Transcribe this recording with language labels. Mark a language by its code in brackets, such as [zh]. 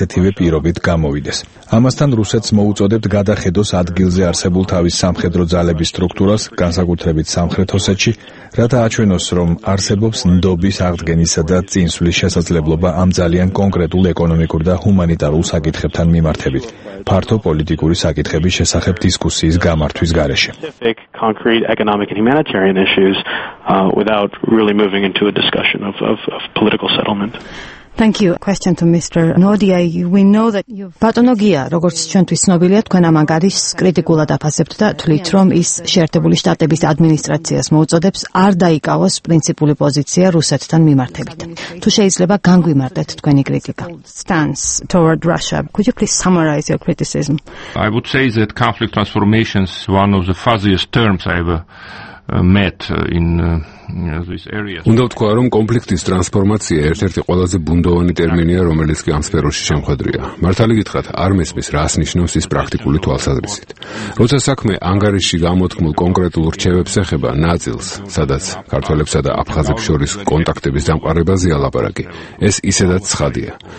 [ka] ასეთივე პირობით გამოვიდეს. ამასთან რუსეთს მოუწოდებთ გადახედოს ადგილზე არსებულ თავის სამხედრო ძალების სტრუქტურას, განსაკუთრებით სამხრეთ ოსეთში, რათა აჩვენოს, რომ არსებობს ნდობის აღდგენისა და წინსვლის შესაძლებლობა ამ ძალიან კონკრეტულ ეკონომიკურ და ჰუმანიტარულ საკითხებთან მიმართებით. Parto politikuri sakitxebis shesakheb diskussiis gamartvis gareshe. [en] Concrete economic and humanitarian issues without really moving into a discussion of political settlement. Thank you. Question to Mr. Nodia. We know that you've [ka] Patonogia, როგორც ჩვენთვის ცნობილია, თქვენ ამ ანგარიშ კრიტიკულად აფასებთ და თვლით, რომ ის შეერთებული შტატების ადმინისტრაციას მოუწოდებს არ დაიკავოს პრინციპული პოზიცია რუსეთთან მიმართებით. თუ შეიძლება განგვიმარდეთ თქვენი კრიტიკა. [en] Stance toward Russia. Could you please summarize your criticism? I would say that conflict transformations one of the fuzziest terms I ever met in [ka] უნდა ვთქვა, რომ კონფლიქტის ტრანსფორმაცია ერთ-ერთი ყველაზე ბუნდოვანი ტერმინია, რომელიც კი ამ სფეროში შემხვედრია. მართალი გითხრათ, არ მესმის, რას ნიშნავს ის პრაქტიკული თვალსაზრისით. როცა საქმე ანგარიშში გამოთქმულ კონკრეტულ რჩევებს ეხება, ნაწილს, სადაც ქართველებსა და აფხაზებს შორის კონტაქტების დამყარებაზეა ლაპარაკი, ეს ისედაც ცხადია.